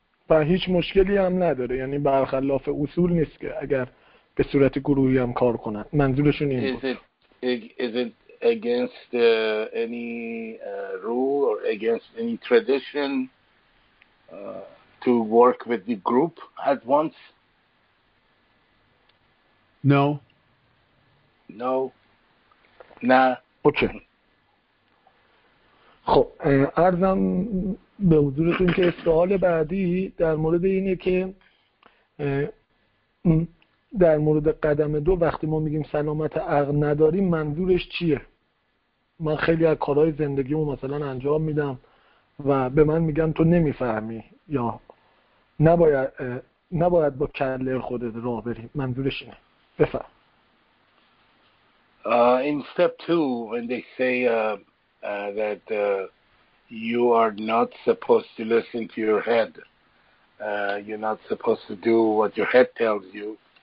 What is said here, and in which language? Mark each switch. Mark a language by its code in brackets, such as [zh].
[fa] و هیچ مشکلی هم نداره، یعنی برخلاف اصول نیست که اگر به صورت گروهی هم کار کنن. منظورشون این بود. [en] Is it against any rule or against any tradition to work with the group at once? No. No. Nah. Okay. [fa] خب عرضم به حضورتون که سوال بعدی در مورد اینه که در مورد قدم دو وقتی ما میگیم سلامت عقل نداریم منظورش چیه؟ من خیلی از کارهای زندگیمو مثلا انجام میدم و به من میگن تو نمیفهمی یا نباید با کله خودت راه بری. منظورش اینه. بفهم. [en] In step two, when they say that you are not supposed to listen to your head, you're not supposed to do what your head tells you.